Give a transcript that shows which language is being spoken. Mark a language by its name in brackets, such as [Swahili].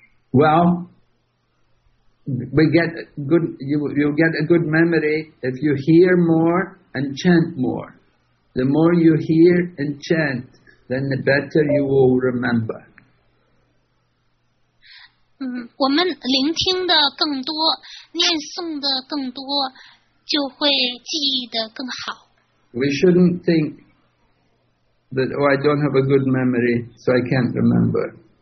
[English] WellYou'll get a good memory if you hear more and chant more. The more you hear and chant, then the better you will remember. [Chinese] 嗯，我们聆听的更多，念诵的更多，就会记忆的更好。 [English] We shouldn't think that, oh, I don't have a good memory, so I can't remember.